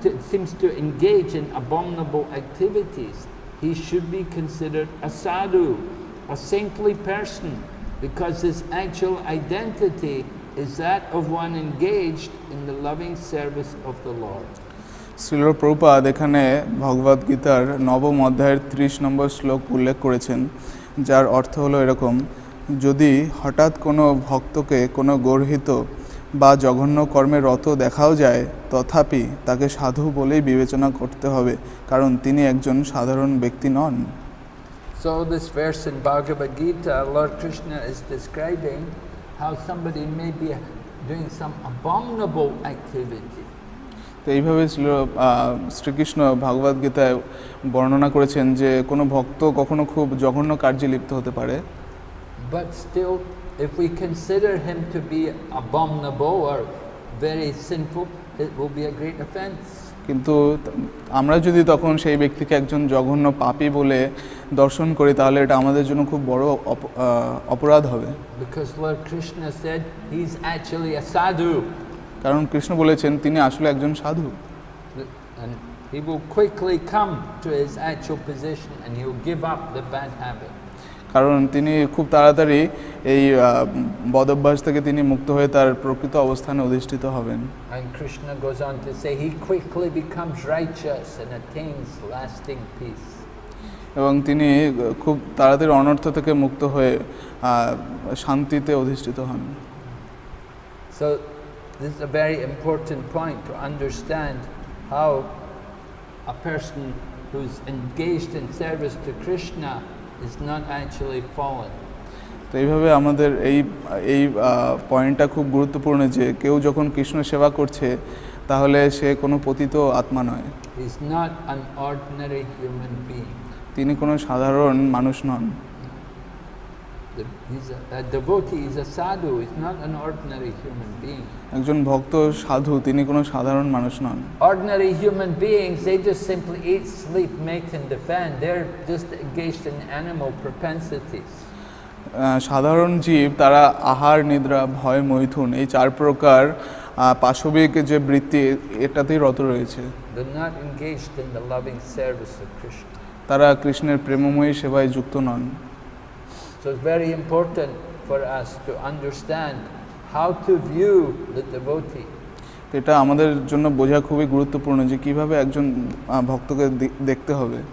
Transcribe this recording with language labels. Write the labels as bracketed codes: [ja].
[en] seems to engage in abominable activities he should be considered a sadhu a saintly person because his actual identity is that of one engaged in the loving service of the lord [bn] Srila Prabhupada এখানে ভগবদ গীতার নবম অধ্যায়ের 30 নম্বর শ্লোক উল্লেখ করেছেন যার অর্থ হলো এরকম যদি হঠাৎ কোনো ভক্তকে কোনো গর্হিত বা জঘন্য কর্মে রত দেখাও যায় তথাপি তাকে সাধু বলেই বিবেচনা করতে হবে কারণ তিনি একজন সাধারণ ব্যক্তি নন [en] So this verse in Bhagavad Gita, Lord Krishna is describing how somebody may be doing some abominable activity. [bn] তো এইভাবে ছিল শ্রীকৃষ্ণ ভাগবত গীতায় বর্ণনা করেছেন যে কোনো ভক্ত কখনো খুব জঘন্য কার্যে লিপ্ত হতে পারে [en] But still, if we consider him to be abominable or very sinful, it will be a great offense. [bn] কিন্তু আমরা যদি তখন সেই ব্যক্তিকে একজন জঘন্য পাপী বলে দর্শন করি তাহলে এটা আমাদের জন্য খুব বড় অপরাধ হবে [en] Because Lord Krishna said he is actually a sadhu. [bn] কারণ কৃষ্ণ বলেছেন তিনি আসলে একজন সাধু [en] And he will quickly come to his actual position and he will give up the bad habit. [bn] কারণ তিনি খুব তাড়াতাড়ি এই বদভ্যাস থেকে তিনি মুক্ত হয়ে তার প্রকৃত অবস্থানে অধিষ্ঠিত হবেন [en] And Krishna goes on to say he quickly becomes righteous and attains lasting peace. [bn] এবং তিনি খুব তাড়াতাড়ি অনর্থ থেকে মুক্ত হয়ে শান্তিতে অধিষ্ঠিত হন [en] So this is a very important point to understand how a person who's engaged in service to Krishna is not actually fallen [bn] তো এইভাবে আমাদের এই এই পয়েন্টটা খুব গুরুত্বপূর্ণ যে কেউ যখন কৃষ্ণ সেবা করছে তাহলে সে কোনো পতিত আত্মা নয় [en] He is not an ordinary human being [bn] তিনি কোনো সাধারণ মানুষ নন [en] A devotee is a sadhu is not an ordinary human being [bn] একজন ভক্ত সাধু তিনি কোনো সাধারণ মানুষ নন [en] ordinary human beings they just simply eat sleep mate and defend they're just engaged in animal propensities [bn] সাধারণ জীব তারা আহার নিদ্রা ভয় মৈথুন এই চার প্রকার পাশবিক যে বৃত্তি এটাতেই রত রয়েছে [en] they're not engaged in the loving service of krishna [bn] তারা কৃষ্ণের প্রেমময়ী সেবায় যুক্ত নন [en] So it's very important for us to understand how to view the devotee. [bn] এটা আমাদের জন্য বোঝা খুবই গুরুত্বপূর্ণ যে কিভাবে একজন ভক্তকে দেখতে হবে.